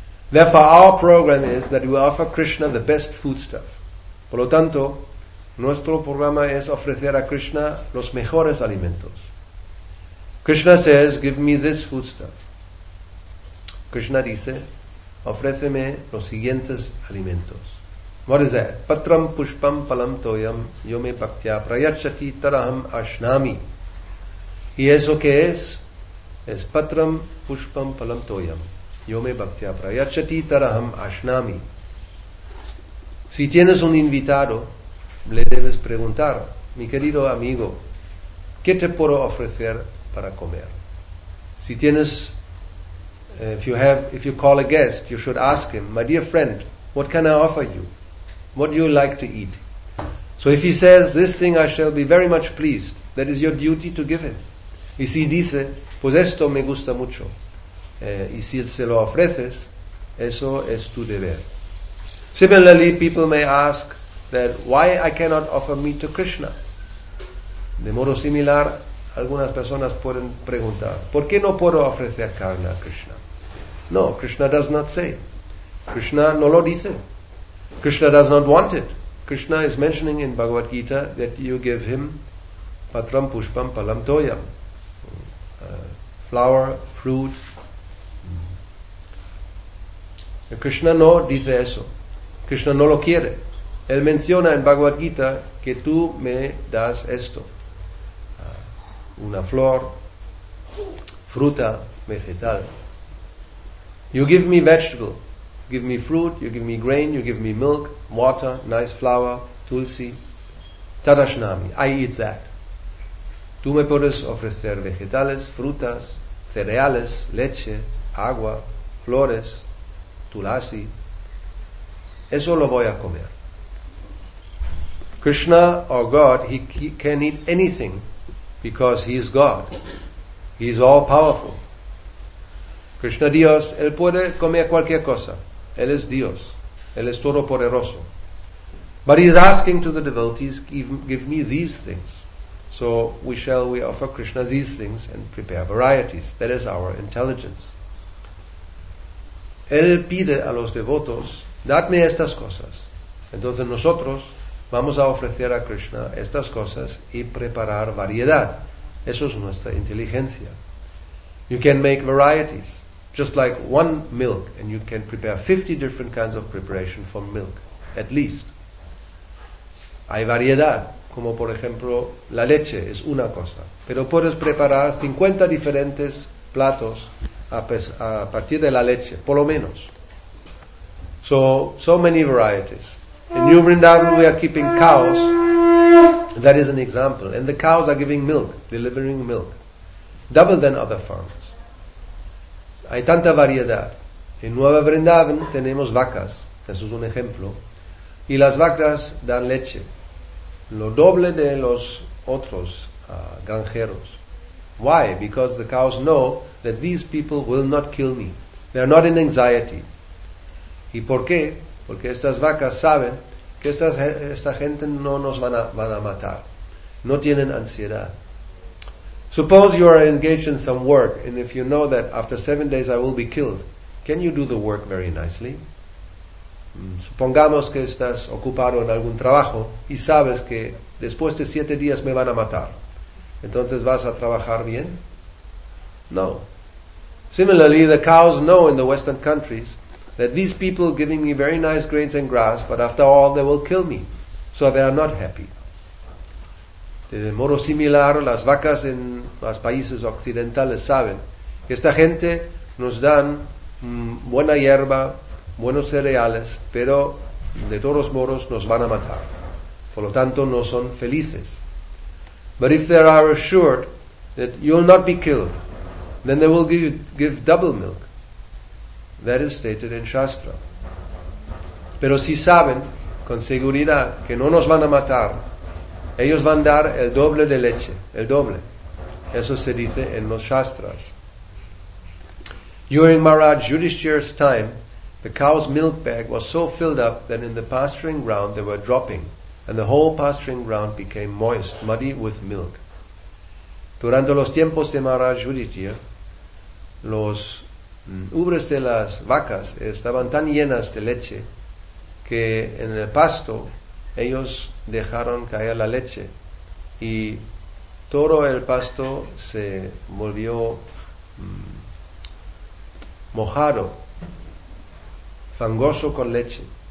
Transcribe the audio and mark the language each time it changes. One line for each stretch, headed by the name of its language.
English: Therefore, our program is that we offer Krishna the best foodstuff.
Spanish: Por lo tanto, nuestro programa es ofrecer a Krishna los mejores alimentos.
English: Krishna says, give me this foodstuff.
Spanish: Krishna dice, ofréceme los siguientes alimentos.
English: What is that?
Sanskrit: Patram pushpam palam toyam yome bhaktya prayachati taraham ashnami.
Spanish: ¿Y eso qué es? Es
Sanskrit: patram pushpam palam toyam yome bhaktya prayachati taraham ashnami.
Spanish: Si tienes un invitado, le debes preguntar, mi querido amigo, ¿qué te puedo ofrecer para comer? Si tienes,
English: if you call a guest, you should ask him, my dear friend, what can I offer you? What do you like to eat? So if he says, this thing I shall be very much pleased, that is your duty to give him.
Spanish: Y si dice, pues esto me gusta mucho. Y si se lo ofreces, eso es tu deber.
English: Similarly, people may ask that why I cannot offer meat to Krishna.
Spanish: De modo similar, algunas personas pueden preguntar, ¿por qué no puedo ofrecer carne a Krishna?
English: No, Krishna does not say.
Spanish: Krishna no lo dice.
English: Krishna does not want it. Krishna is mentioning in Bhagavad Gita that you give him
Sanskrit: patram pushpam palam toyam,
English: flower, fruit.
Spanish: Krishna no dice eso. Krishna no lo quiere. Él menciona en Bhagavad Gita que tú me das esto. Una flor, fruta, Mirhital.
English: You give me vegetable, you give me fruit, you give me grain, you give me milk, water, nice flour, tulsi. Tadashnami, I eat that.
Spanish: Tú me puedes ofrecer vegetales, frutas, cereales, leche, agua, flores, tulasi. Eso lo voy a comer.
English: Krishna, or God, he can eat anything because he is God. He is all powerful.
Spanish: Krishna Dios, él puede comer cualquier cosa. Él es Dios. Él es todopoderoso.
English: But he is asking to the devotees, give me these things. So we offer Krishna these things and prepare varieties. That is our intelligence.
Spanish: Él pide a los devotos, dadme estas cosas. Entonces nosotros vamos a ofrecer a Krishna estas cosas y preparar variedad. Eso es nuestra inteligencia.
English: You can make varieties, just like one milk, and you can prepare 50 different kinds of preparation for milk, at least.
Spanish: Hay variedad, como por ejemplo la leche es una cosa, pero puedes preparar 50 diferentes platos a partir de la leche, por lo menos.
English: So many varieties. In New Vrindavan we are keeping cows. That is an example. And the cows are giving milk, delivering milk. Double than other farms.
Spanish: Hay tanta variedad. En Nueva Vrindavan tenemos vacas. Eso es un ejemplo. Y las vacas dan leche. Lo doble de los otros granjeros.
English: Why? Because the cows know that these people will not kill me. They are not in anxiety.
Spanish: ¿Y por qué? Porque estas vacas saben que esta gente no nos van a matar. No tienen ansiedad.
English: Suppose you are engaged in some work, and if you know that after 7 days I will be killed, can you do the work very nicely?
Spanish: Supongamos que estás ocupado en algún trabajo y sabes que después de 7 días me van a matar. ¿Entonces vas a trabajar bien? No.
English: Similarly, the cows know in the Western countries that these people are giving me very nice grains and grass, but after all, they will kill me. So they are not happy.
Spanish: De modo similar, las vacas en los países occidentales saben que esta gente nos dan buena hierba, buenos cereales, pero de todos modos nos van a matar. Por lo tanto, no son felices.
English: But if they are assured that you will not be killed, then they will give double milk. That is stated in Shastra.
Spanish: Pero si saben con seguridad que no nos van a matar, ellos van a dar el doble de leche, el doble. Eso se dice en los Shastras.
English: During Maharaj Yudhishthira's time, the cow's milk bag was so filled up that in the pasturing ground they were dropping, and the whole pasturing ground became moist, muddy with milk.
Spanish: Durante los tiempos de Maharaj Yudhishthira, los ubres de las vacas estaban tan llenas de leche que en el pasto ellos dejaron caer la leche y todo el pasto se volvió mojado, fangoso con leche.